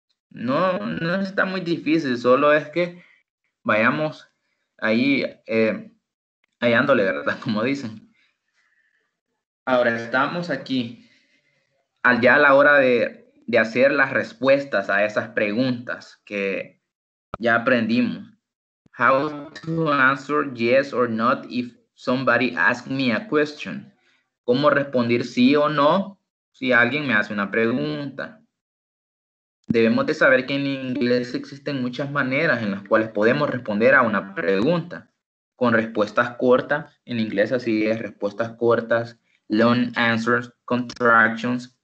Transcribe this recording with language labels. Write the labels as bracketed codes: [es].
[es] No, no está muy difícil, solo es que vayamos ahí hallándole, ¿verdad? Como dicen. Ahora estamos aquí, ya a la hora de hacer las respuestas a esas preguntas que ya aprendimos. [en] How to answer yes or not if somebody asks me a question. [es] ¿Cómo responder sí o no si alguien me hace una pregunta? Debemos de saber que en inglés existen muchas maneras en las cuales podemos responder a una pregunta. Con respuestas cortas, en inglés así es, respuestas cortas, long answers, contractions.